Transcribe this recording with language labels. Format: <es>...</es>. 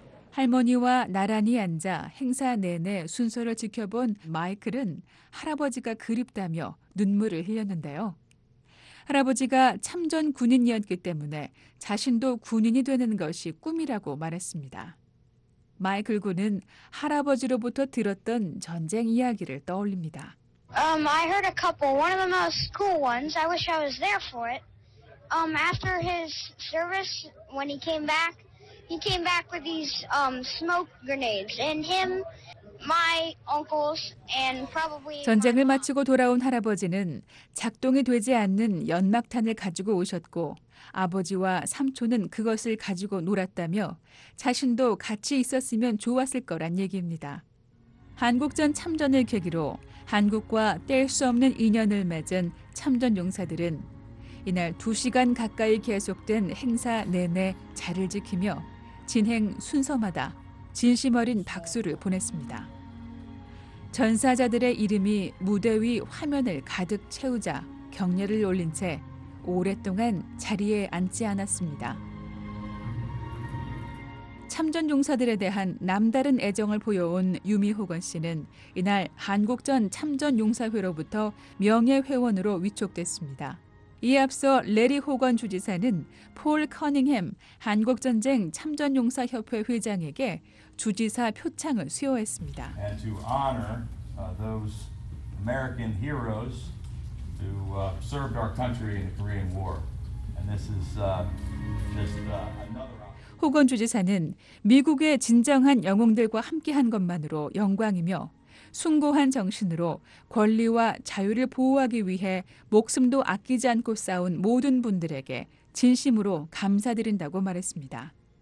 <ko>할머니와 나란히 앉아 행사 내내 순서를 지켜본 마이클은 할아버지가 그립다며 눈물을 흘렸는데요. 할아버지가 참전 군인이었기 때문에 자신도 군인이 되는 것이 꿈이라고 말했습니다. 마이클 군은 할아버지로부터 들었던 전쟁 이야기를 떠올립니다.</ko> <en>I heard a couple. One of the most cool ones. I wish I was there for it. After his service, when he came back with these smoke grenades. And him, my uncles, and probably.</en> <ko>전쟁을 마치고 돌아온 할아버지는 작동이 되지 않는 연막탄을 가지고 오셨고 아버지와 삼촌은 그것을 가지고 놀았다며 자신도 같이 있었으면 좋았을 거란 얘기입니다. 한국전 참전을 계기로 한국과 뗄 수 없는 인연을 맺은 참전 용사들은 이날 2시간 가까이 계속된 행사 내내 자리를 지키며 진행 순서마다 진심 어린 박수를 보냈습니다. 전사자들의 이름이 무대 위 화면을 가득 채우자 격려를 올린 채 오랫동안 자리에 앉지 않았습니다. 참전 용사들에 대한 남다른 애정을 보여온 유미 호건 씨는 이날 한국전 참전 용사회로부터 명예 회원으로 위촉됐습니다. 이에 앞서 레리 호건 주지사는 폴 커닝햄 한국전쟁 참전용사협회 회장에게 주지사 표창을 수여했습니다.</ko> <en>And to honor those American heroes who served our country in the Korean War. And this is just another.</en> <ko>호건 주지사는 미국의 진정한 영웅들과 함께한 것만으로 영광이며 숭고한 정신으로 권리와 자유를 보호하기 위해 목숨도 아끼지 않고 싸운 모든 분들에게 진심으로 감사드린다고 말했습니다.</ko>